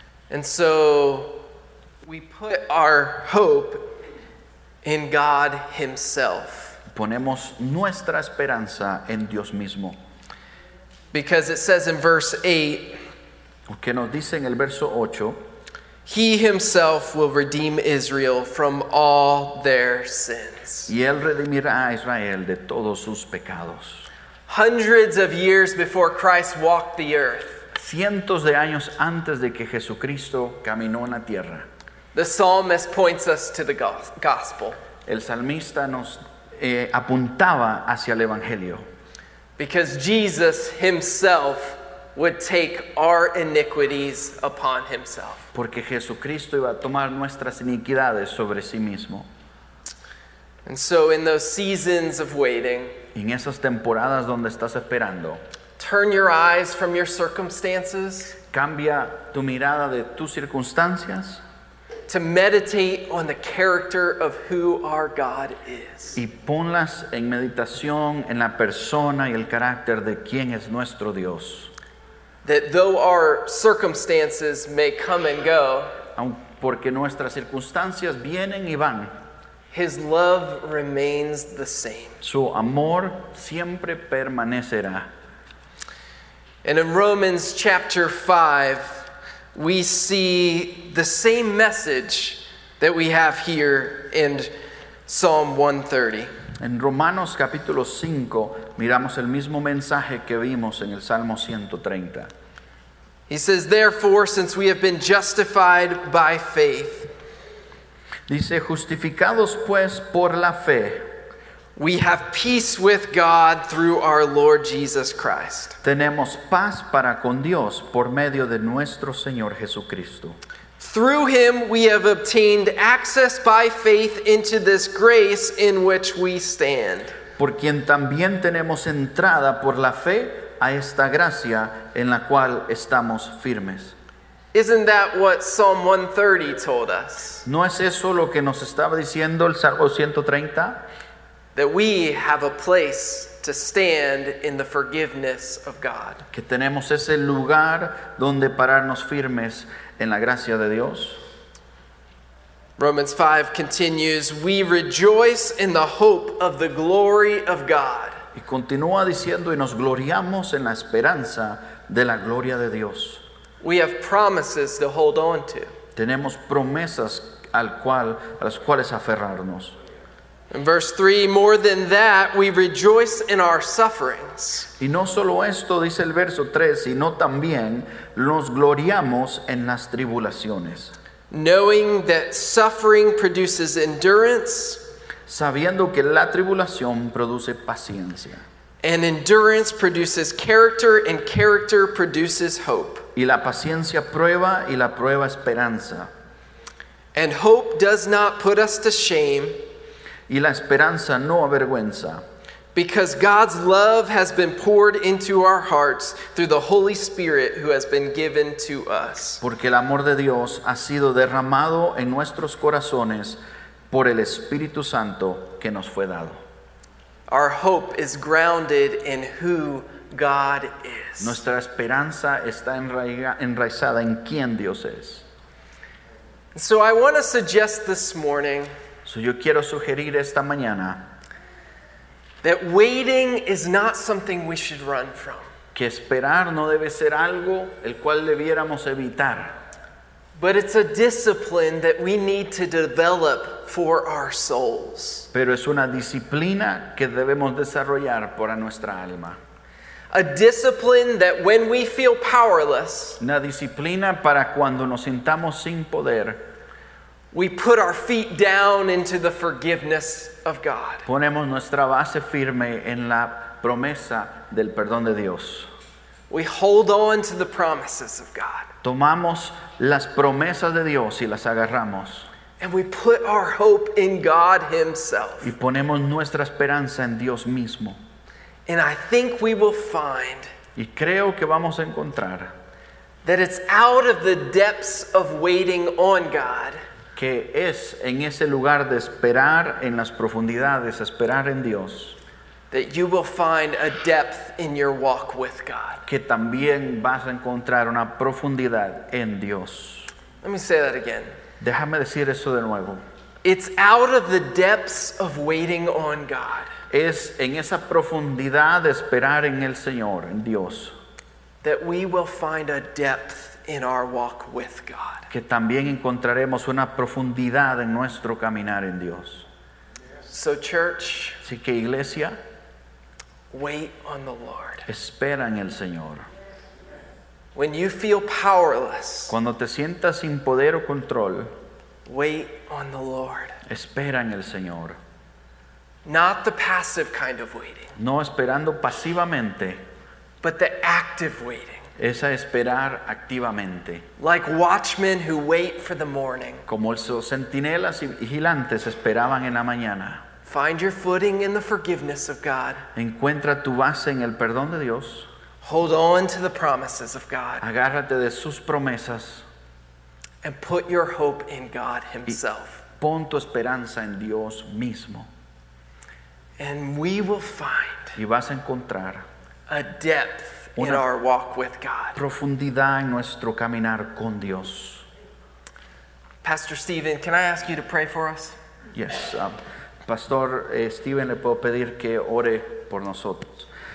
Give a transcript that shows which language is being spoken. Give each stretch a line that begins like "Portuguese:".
English: And so we put our hope in God himself.
Spanish: Ponemos nuestra esperanza en Dios mismo.
English: Because it says in verse 8,
Spanish: que nos dice en el verso 8,
English: he himself will redeem Israel from all their sins.
Spanish: Y él redimirá a Israel de todos sus pecados.
English: Hundreds of years before Christ walked the earth,
Spanish: cientos de años antes de que Jesucristo caminó en la tierra,
English: the psalmist points us to the gospel.
Spanish: El salmista nos apuntaba hacia el evangelio.
English: Because Jesus himself would take our iniquities upon himself.
Spanish: Porque Jesucristo iba a tomar nuestras iniquidades sobre sí mismo.
English: And so in those seasons of waiting,
Spanish: en esas temporadas donde estás esperando,
English: turn your eyes from your circumstances,
Spanish: cambia tu mirada de tus circunstancias,
English: to meditate on the character of who our God is.
Spanish: Y ponlas en meditación en la persona y el carácter de quién es nuestro Dios.
English: That though our circumstances may come and go,
Spanish: porque nuestras circunstancias vienen y van,
English: his love remains the same.
Spanish: Su amor siempre permanecerá.
English: And in Romans chapter 5, we see the same message that we have here in Psalm 130.
Spanish: En Romanos capítulo 5 miramos el mismo mensaje que vimos en el Salmo 130.
English: He says, therefore, since we have been justified by faith,
Spanish: dice, justificados pues por la fe,
English: we have peace with God through our Lord Jesus Christ.
Spanish: Tenemos paz para con Dios por medio de nuestro Señor Jesucristo.
English: Through him we have obtained access by faith into this grace in which we stand.
Spanish: Por quien también tenemos entrada por la fe a esta gracia en la cual estamos firmes.
English: Isn't that what Psalm 130 told us?
Spanish: ¿No es eso lo que nos estaba diciendo el Salmo 130?
English: That we have a place to stand in the forgiveness of God.
Spanish: Que tenemos ese lugar donde pararnos firmes en la gracia de Dios.
English: Romans 5 continues, we rejoice in the hope of the glory of God.
Spanish: Y continúa diciendo, y nos gloriamos en la esperanza de la gloria de Dios.
English: We have promises to hold on to.
Spanish: Tenemos promesas a las cuales aferrarnos.
English: In verse 3, more than that, we rejoice in our sufferings.
Spanish: Y no solo esto, dice el verso 3, sino también nos gloriamos en las tribulaciones.
English: Knowing that suffering produces endurance.
Spanish: Sabiendo que la tribulación produce paciencia.
English: And endurance produces character, and character produces hope.
Spanish: Y la paciencia prueba, y la prueba esperanza.
English: And hope does not put us to shame.
Spanish: Y la esperanza no avergüenza.
English: Because God's love has been poured into our hearts through the Holy Spirit who has been given to us.
Spanish: Porque el amor de Dios ha sido derramado en nuestros corazones por el Espíritu Santo que nos fue dado.
English: Our hope is grounded in who God is.
Spanish: Nuestra esperanza está enraizada en quién Dios es.
English: So I want to suggest this morning.
Spanish: So yo quiero sugerir esta mañana
English: that waiting is not something we should run from.
Spanish: Que esperar no debe ser algo el cual debiéramos evitar.
English: But it's a discipline that we need to develop for our souls.
Spanish: Pero es una disciplina que debemos desarrollar para nuestra alma.
English: A discipline that when we feel powerless,
Spanish: una disciplina para cuando nos sintamos sin poder,
English: we put our feet down into the forgiveness of God.
Spanish: Ponemos nuestra base firme en la promesa del perdón de Dios.
English: We hold on to the promises of God.
Spanish: Tomamos las promesas de Dios y las agarramos.
English: And we put our hope in God himself.
Spanish: Y ponemos nuestra esperanza en Dios mismo.
English: And I think we will find,
Spanish: y creo que vamos a encontrar,
English: that it's out of the depths of waiting on God,
Spanish: que es en ese lugar de esperar en las profundidades, esperar en Dios,
English: that you will find a depth in your walk with God.
Spanish: Que también vas a encontrar una profundidad en Dios.
English: Let me say that again.
Spanish: Déjame decir eso de nuevo.
English: It's out of the depths of waiting on God.
Spanish: Es en esa profundidad de esperar en el Señor, en Dios,
English: that we will find a depth in our walk with God.
Spanish: Que también encontraremos una profundidad en nuestro caminar en Dios.
English: So church,
Spanish: así que iglesia,
English: wait on the Lord.
Spanish: Espera en el Señor.
English: When you feel powerless,
Spanish: cuando te sientas sin poder o control,
English: wait on the Lord.
Spanish: Espera en el Señor.
English: Not the passive kind of waiting.
Spanish: No esperando pasivamente,
English: but the active waiting.
Spanish: Es a esperar activamente.
English: Like watchmen who wait for the morning.
Spanish: Como esos centinelas y vigilantes esperaban en la mañana.
English: Find your footing in the forgiveness of God.
Spanish: Encuentra tu base en el perdón de Dios.
English: Hold on to the promises of God.
Spanish: Agárrate de sus promesas.
English: And put your hope in God himself.
Spanish: Y pon tu esperanza en Dios mismo.
English: And we will find.
Spanish: Y vas a encontrar.
English: A depth. In our walk with God.
Spanish: Profundidad en nuestro caminar con Dios.
English: Pastor Stephen, can I ask you to pray for us? Yes.
Spanish: Pastor Stephen, le puedo pedir que ore por nosotros.